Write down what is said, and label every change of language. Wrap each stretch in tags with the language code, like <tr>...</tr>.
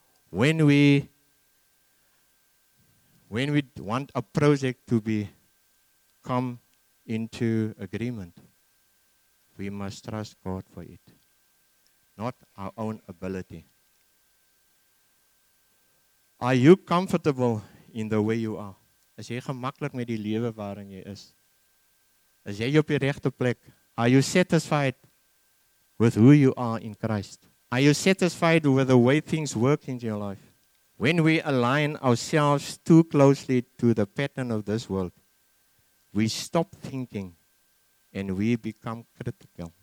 <en>When we want a project to be come into agreement, we must trust God for it, not our own ability. Are you comfortable in the way you are?</en> <af>Is jy gemaklik met die lewe waarin jy is? Is jy op die regte plek?</af> <en>Are you satisfied with who you are in Christ? Are you satisfied with the way things work in your life? When we align ourselves too closely to the pattern of this world, we stop thinking and we become critical.</en>